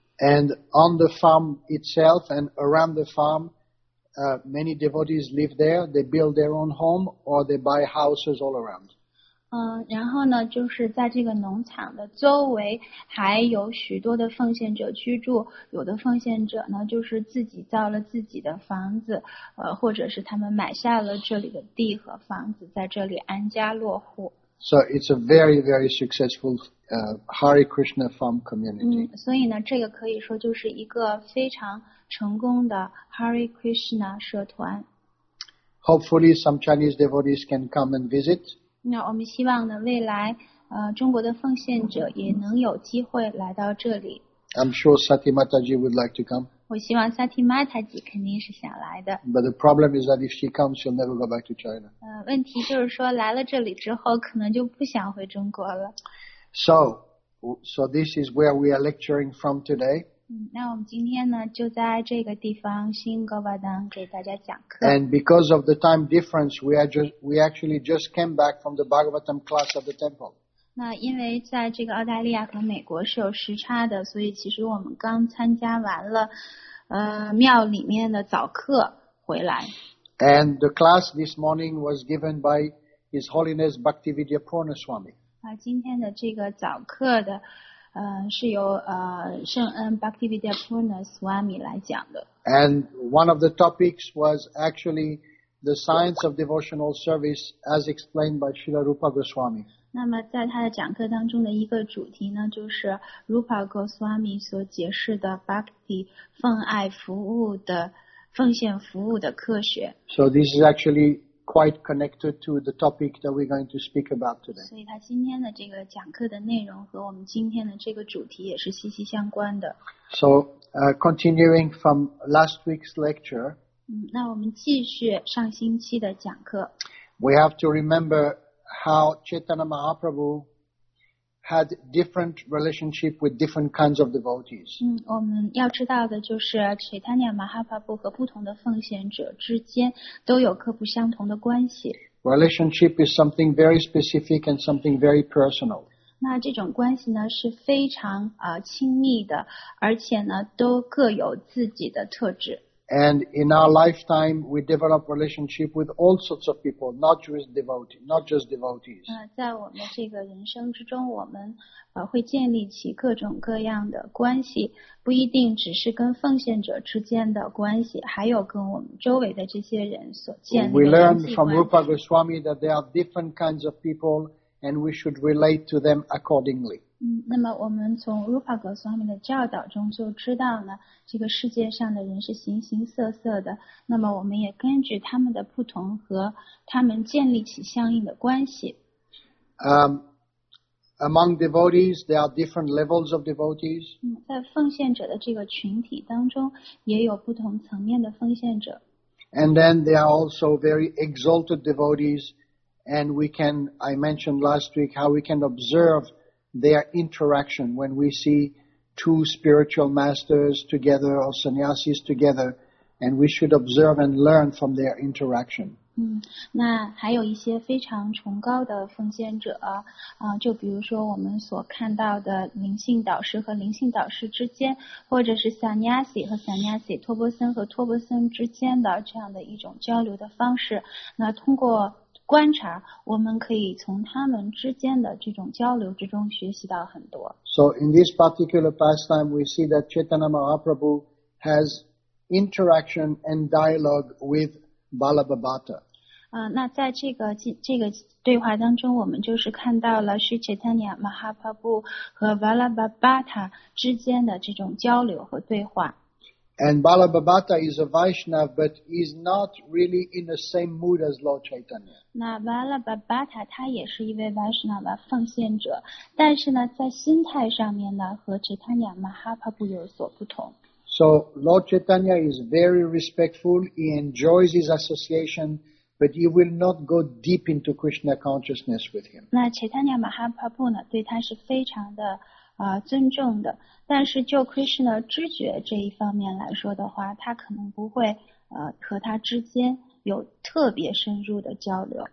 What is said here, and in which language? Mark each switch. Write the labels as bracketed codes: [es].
[en] And on the farm itself and around the farm, many devotees live there. They build their own home or they buy houses all around. [zh] 然后呢，就是在这个农场的周围还有许多的奉献者居住。有的奉献者呢，就是自己造了自己的房子，或者是他们买下了这里的地和房子，在这里安家落户。 [en] So it's a very, very successful Hare Krishna farm community. [zh] 所以呢，这个可以说就是一个非常成功的 Hare Krishna 社团。 [en] Hopefully, some Chinese devotees can come and visit. [zh] 那我们希望呢，未来中国的奉献者也能有机会来到这里。 [en] I'm sure Sati Mataji would like to come. [zh] 我希望 Sati Mataji 肯定是想来的。 [en] But the problem is that if she comes, she'll never go back to China. [zh] 问题就是说来了这里之后可能就不想回中国了。 [en] So this is where we are lecturing from today. [zh] 那我们今天呢就在这个地方新戈巴丹给大家讲课。 [en] And because of the time difference, we actually just came back from the Bhagavatam class at the temple. [zh] 那因为在这个澳大利亚和美国是有时差的，所以其实我们刚参加完了庙里面的早课回来。 [en] And the class this morning was given by His Holiness Bhaktivedya Purna Swami. [zh] 今天的这个早课的是由圣恩 Bhaktivedya Purna Swami 来讲的。 [en] And one of the topics was actually the science of devotional service as explained by Srila Rupa Goswami. [zh] 那么在他的讲课当中的一个主题呢，就是 Rupa Goswami 所解释的 Bhakti 奉爱服务的奉献服务的科学。 [en] So this is actually quite connected to the topic that we're going to speak about today. [zh] 所以他今天的这个讲课的内容和我们今天的这个主题也是息息相关的。 [en] So, continuing from last week's lecture. [zh] 那我们继续上星期的讲课。 [en] We have to remember how Chaitanya Mahaprabhu had different relationship with different kinds of devotees. [zh] 我们要知道的就是 Chaitanya Mahaprabhu 和不同的奉献者之间都有各不相同的关系。 [en] Relationship is something very specific and something very personal. [zh] 那这种关系呢是非常亲密的，而且呢都各有自己的特质。 [en] And in our lifetime, we develop relationship with all sorts of people, not just devotees. [zh] 在我们这个人生之中，我们会建立起各种各样的关系，不一定只是跟奉献者之间的关系，还有跟我们周围的这些人所建立的关系。 [en] We learn from Rupa Goswami that there are different kinds of people, and we should relate to them accordingly. [zh] 那么我们从 Rupa Goswami 的教导中就知道呢，这个世界上的人是形形色色的，那么我们也根据他们的不同和他们建立起相应的关系。 [en] Among devotees, there are different levels of devotees. [zh] 在奉献者的这个群体当中也有不同层面的奉献者。 [en] And then there are also very exalted devotees, and I mentioned last week how we can observe their interaction when we see two spiritual masters together or sannyasis together, and we should observe and learn from their interaction. [zh] 那还有一些非常崇高的奉献者啊、就比如说我们所看到的灵性导师和灵性导师之间，或者是 sannyasi 和 sannyasi， 托钵僧和托钵僧之间的这样的一种交流的方式。那通过观察，我们可以从他们之间的这种交流之中学习到很多。 [en] So in this particular pastime, we see that Chaitanya Mahaprabhu has interaction and dialogue with Balabhabhata. [zh] 那在这个对话当中，我们就是看到了是 Chaitanya Mahaprabhu 和 Balabhabhata 之间的这种交流和对话。 [en] And Balabhabhata is a Vaishnava, but is not really in the same mood as Lord Chaitanya. [zh] 那 Balabhabhata 他也是一位 Vaishnava 奉献者，但是呢，在心态上面呢，和 Chaitanya Mahaprabhu 有所不同。 [en] So Lord Chaitanya is very respectful. He enjoys his association, but he will not go deep into Krishna consciousness with him. [zh] 那 Chaitanya Mahaprabhu 呢，对他是非常的。尊重的，但是就 Krishna 知觉这一方面来说的话，他可能不会和他之间有特别深入的交流。